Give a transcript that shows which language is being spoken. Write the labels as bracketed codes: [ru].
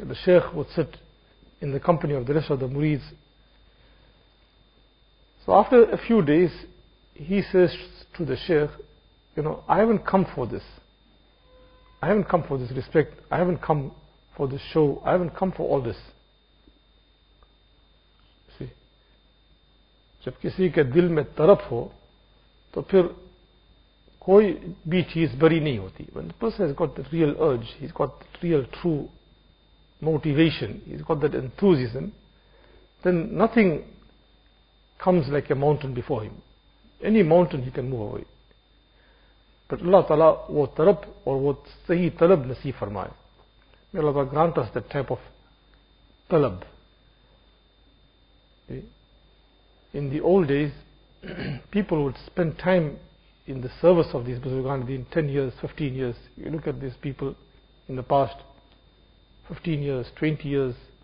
[en] The sheikh would sit in the company of the rest of the murids. So after a few days, he says to the sheikh, you know, I haven't come for this. I haven't come for this respect. I haven't come for this show. I haven't come for all this. See? [ur] جب کسی کے دل میں طرف ہو تو پھر کوئی بھی چیز بری نہیں ہوتی. [en] When the person has got the real urge, he's got the real true motivation, he's got that enthusiasm, then nothing comes like a mountain before him. Any mountain he can move away. But [ur] Allah Ta'ala, وہ طرف اور وہ صحیح طلب نصیب فرمائے. [en] May Allah Ta'ala grant us that type of طلب. In the old days, people would spend time in the service of these Buzurgan Deen, 10 years, 15 years. You look at these people in the past, 15 years, 20 years.